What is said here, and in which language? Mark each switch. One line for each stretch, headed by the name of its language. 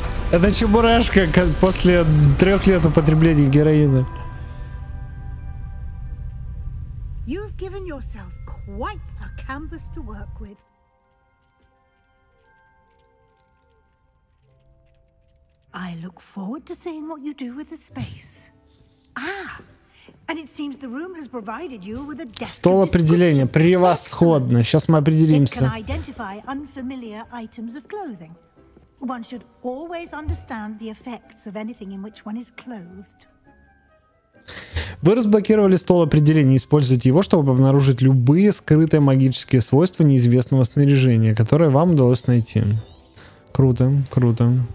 Russian: Это Чебурашка после 3 лет употребления героина.
English: You've given yourself quite a canvas to work with. I look forward to seeing what you do with the space. Ah, and it seems the room has provided you with a desk.
Russian: Стол определения превосходно. Сейчас мы определимся.
English: It can identify unfamiliar items of clothing. One should always understand the effects of anything in which one is clothed.
Russian: Вы разблокировали стол определения. Используйте его, чтобы обнаружить любые скрытые магические свойства неизвестного снаряжения, которое вам удалось найти. Круто, круто.